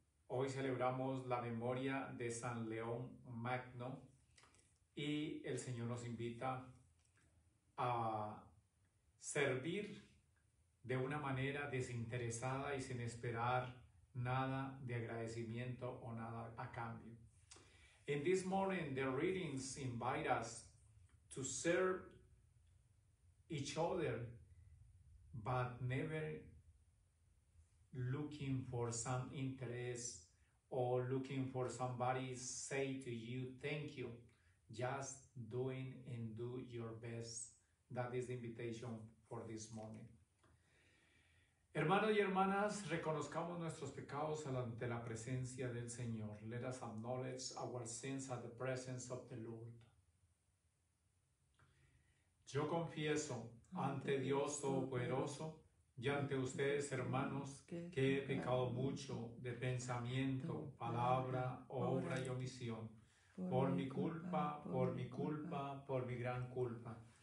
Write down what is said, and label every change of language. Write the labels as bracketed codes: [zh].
[es] Hoy celebramos la memoria de San León Magno y el Señor nos invita a servir de una manera desinteresada y sin esperar nada de agradecimiento o nada a cambio. [en] In this morning, the readings invite us to serve each other, but never looking for some interest or looking for somebody say to you, thank you, just doing and do your best. That is the invitation for this morning. [es] Hermanos y hermanas, reconozcamos nuestros pecados ante la presencia del Señor. [en] Let us acknowledge our sins at the presence of the Lord. [es] Yo confieso ante Dios Todopoderoso y ante ustedes, hermanos, que he pecado mucho de pensamiento, palabra, obra y omisión, por mi gran culpa.